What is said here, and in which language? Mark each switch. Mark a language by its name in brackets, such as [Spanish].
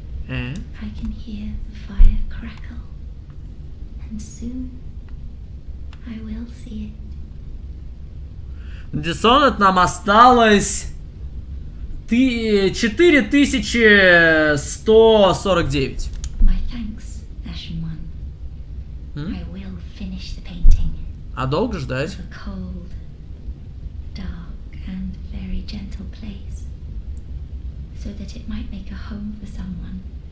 [English] I can hear the fire crackle, and soon I will see it. [Russian] Dishonored нам осталось 4149. [English] My thanks, Ashen One. I will finish the painting. [Russian] А долго ждать? [English] A cold, dark, and very gentle place, so that it might make a home for someone.